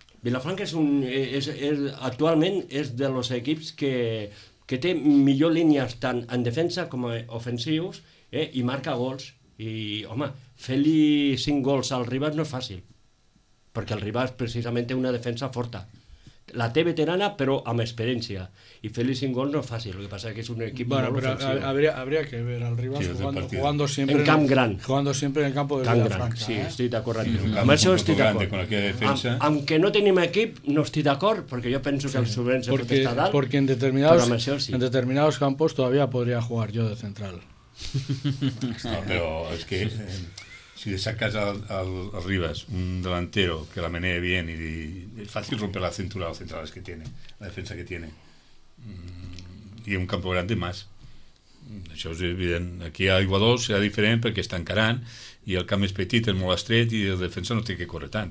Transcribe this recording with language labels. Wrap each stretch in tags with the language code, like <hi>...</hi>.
<ca>Vilafranca és actualment és de los equips que té millor línies tant en defensa com en ofensius, i marca gols. I, home, fer-li 5 gols al Ribas no és fàcil, perquè el Ribas precisament té una defensa forta. La té veterana, però amb experiència. I fer-li 5 gols no és fàcil, el que passa que és un equip molt ofensiu.</ca> <es>Habría que ver al Ribas jugando siempre</es> <ca>en camp gran.</ca> <es>Jugando siempre en el campo de Villafranca.</es> <ca>Sí, estic d'acord amb tu. Amb això estic d'acord. Aunque no tenim equip, no estic d'acord, perquè jo penso que el Suburense pot estar dalt.</ca> <es>Porque en determinados campos todavía podría jugar yo de central.</es> <ca>No, però és que...</ca> <es>Si le sacas al Ribas un delantero que la menee bien y es fácil romper la cintura de los centrales que tiene, la defensa que tiene. Y un campo grande más.</es> <ca>Això és evident. Aquí a Iguadors serà diferent perquè es tancaran i el camp és petit, és molt estret i el defensa no té que correr tant.</ca>